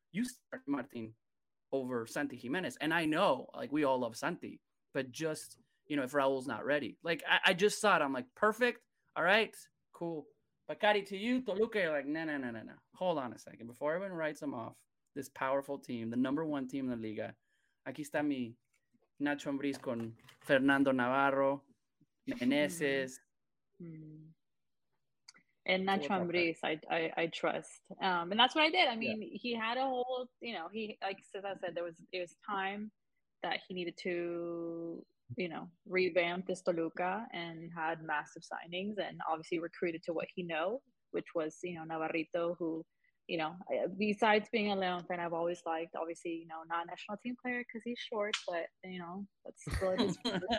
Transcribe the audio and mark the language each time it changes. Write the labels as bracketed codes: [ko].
[en] You start Martin over Santi Jimenez. And I know, like, we all love Santi, but just, you know, if Raul's not ready. Like, I just saw it. I'm like, perfect. All right. Cool. But Kari, to you, Toluca, you're like, no. Hold on a second. Before everyone writes them off, this powerful team, the number one team in the Liga. [es] Aquí está mi Nacho Ambriz con Fernando Navarro, Meneses. [en] And Nacho Ambriz, I trust. And that's what I did. I mean, yeah. He had a whole, you know, he, like Cesar said, it was time that he needed to, you know, revamp this Toluca and had massive signings and obviously recruited to what he know, which was, you know, Navarrito, who, you know, besides being a León fan, I've always liked, obviously, you know, not a national team player because he's short, but, you know, that's still his name.